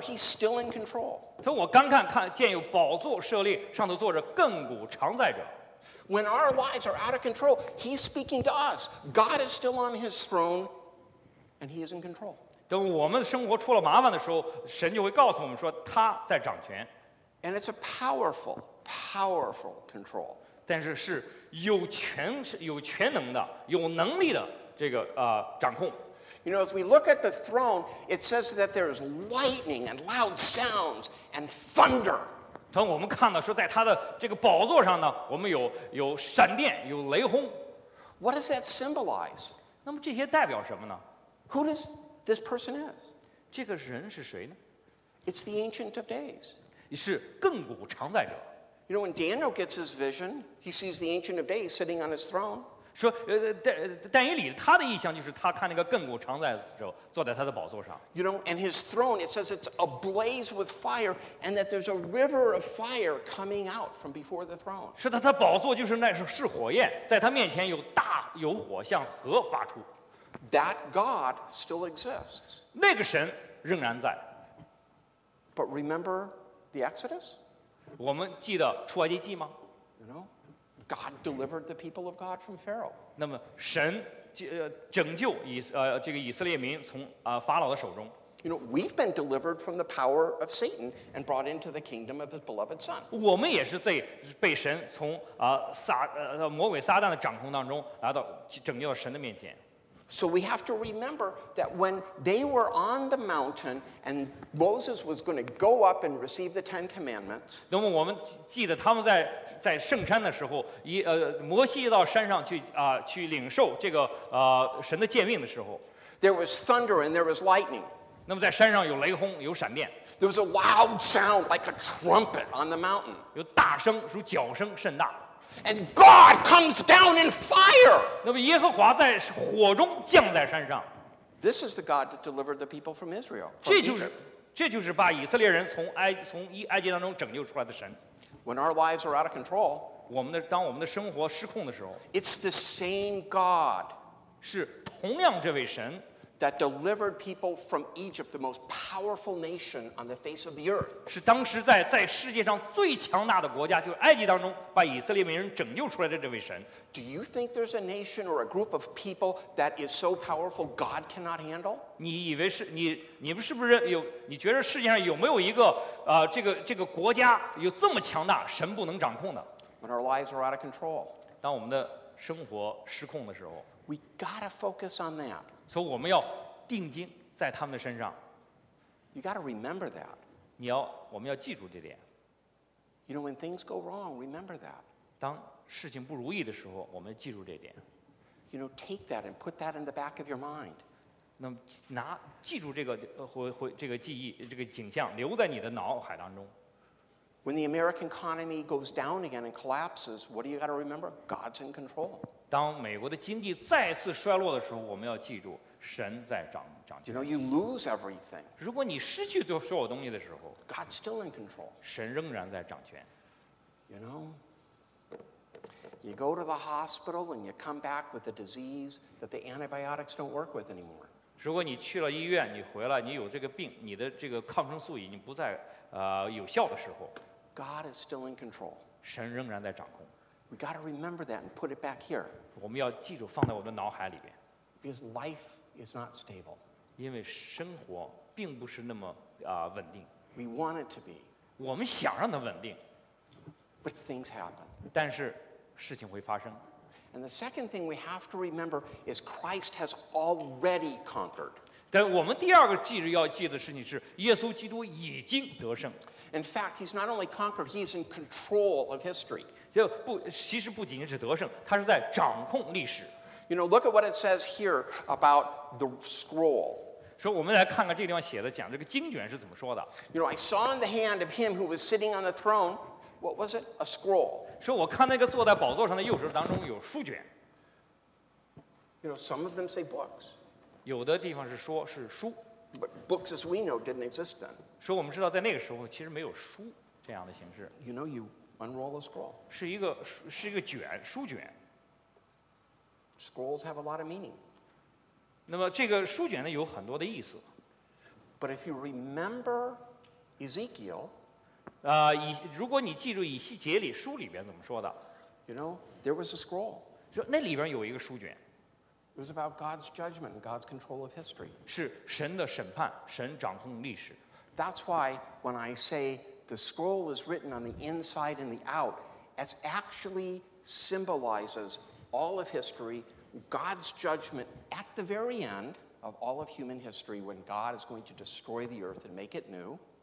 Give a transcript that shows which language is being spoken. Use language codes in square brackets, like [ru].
[en] He's still in control." [zh] 所以我刚看见有宝座设立，上头坐着亘古常在者。 [en] When our lives are out of control, He's speaking to us. God is still on His throne, and He is in control. [zh] 等我们生活出了麻烦的时候，神就会告诉我们说他在掌权。 [en] And it's a powerful, powerful control. [zh] 但是是有权能的、有能力的这个掌控。 [en] You know, as we look at the throne, it says that there's lightning and loud sounds and thunder. [zh] 当我们看到说在他的这个宝座上呢，我们有闪电，有雷轰。 [en] What does that symbolize? [zh] 那么这些代表什么呢？ [en] Who does this person is? [zh] 这个人是谁呢？ [en] It's the Ancient of Days. [zh] 是亘古常在者。 [en] You know, when Daniel gets his vision, he sees the Ancient of Days sitting on his throne. [zh] 说但以理他的意象就是他看那个亘古常在者坐在他的宝座上。 [en] You know, and his throne, it says it's ablaze with fire, and that there's a river of fire coming out from before the throne. [zh] 是他的宝座就是那是火焰，在他面前有火向河发出。 [en] That God still exists. [zh] 那个神仍然在。 [en] But remember the Exodus? [zh] 我们记得出埃及记吗？ [en] You know, God delivered the people of God from Pharaoh. [zh] 那么神拯救以这个以色列民从法老的手中。 [en] You know, we've been delivered from the power of Satan and brought into the kingdom of his beloved son. [zh] 我们也是在被神从魔鬼撒旦的掌控当中来到拯救到神的面前。 [en] So we have to remember that when they were on the mountain and Moses was going to go up and receive the Ten Commandments. [zh] 那么我们记得他们在圣山的时候，摩西到山上去领受这个神的诫命的时候。 [en] There was thunder and there was lightning. [zh] 那么在山上有雷轰，有闪电。 [en] There was a loud sound like a trumpet on the mountain. [zh] 有大声，如角声甚大。 [en] And God comes down in fire. [zh] 那么耶和华在火中降在山上。 [en] This is the God that delivered the people from Israel. [zh] 这就是把以色列人从埃及当中拯救出来的神。 [en] When our lives are out of control, [zh] 当我们的生活失控的时候 [en] ，It's the same God. [zh] 是同样这位神。 [en] That delivered people from Egypt, the most powerful nation on the face of the earth. [zh] 是当时在世界上最强大的国家，就是埃及当中把以色列民人拯救出来的这位神。 [en] Do you think there's a nation or a group of people that is so powerful God cannot handle? [zh] 你以为是你你们是不是有你觉得世界上有没有一个这个国家有这么强大神不能掌控的 [en] ？When our lives are out of control. [zh] 当我们的生活失控的时候 [en] ，We gotta focus on that. [zh] 所以我们要定睛在他们的身上。 [en] You got to remember that. [zh] 我们要记住这点。 [en] You know, when things go wrong, remember that. [zh] 当事情不如意的时候，我们记住这点。 [en] You know, take that and put that in the back of your mind. [zh] 那么记住这个这个记忆这个景象，留在你的脑海当中。 [en] When the American economy goes down again and collapses, what do you got to remember? God's in control. [zh] 当美国的经济再次衰落的时候，我们要记住神在掌权。 [en] You know, you lose everything. [zh] 如果你失去所有东西的时候 [en] ，God's still in control. [zh] 神仍然在掌权。 [en] You know, you go to the hospital and you come back with a disease that the antibiotics don't work with anymore. [zh] 如果你去了医院，你回来，你有这个病，你的这个抗生素已经不再有效的时候 [en] ，God is still in control. [zh] 神仍然在掌控。 [en] We got to remember that and put it back here. [zh] 我们要记住放在我的脑海里边。 [en] Because life is not stable. [zh] 因为生活并不是那么稳定。 [en] We want it to be. [zh] 我们想让它稳定。 [en] But things happen. [zh] 但是事情会发生。 [en] And the second thing we have to remember is Christ has already conquered. [zh] 但我们第二个要记的事情是耶稣基督已经得胜。 [en] In fact, he's not only conquered, he's in control of history. [zh] 其实不仅仅是得胜，他是在掌控历史。 [en] You know, look at what it says here about the scroll. [zh] 说我们来看看这个地方写的讲这个经卷是怎么说的。 [en] You know, I saw in the hand of him who was sitting on the throne, what was it? A scroll. [zh] 说我看那个坐在宝座上的右手当中有书卷。 [en] You know, some of them say books. [zh] 有的地方是说是书。 [en] But books as we know didn't exist then. [zh] 说我们知道在那个时候其实没有书这样的形式。 [en] You know, you. Unroll a scroll. [zh] 是一个卷，书卷。 [en] Scrolls have a lot of meaning. [zh] 那么这个书卷呢，有很多的意思。 [en] But if you remember Ezekiel, [zh] 如果你记住以西结里书里边怎么说的 [en] ，You know there was a scroll. [zh] 就那里边有一个书卷。 [en] It was about God's judgment, God's control of history. [zh] 是神的审判，神掌控历史。 [en] That's why when I say. The scroll is written on the inside and the out, as actually symbolizes all of history, God's judgment at the very end of all of human history, when God is going to destroy the earth and make it new.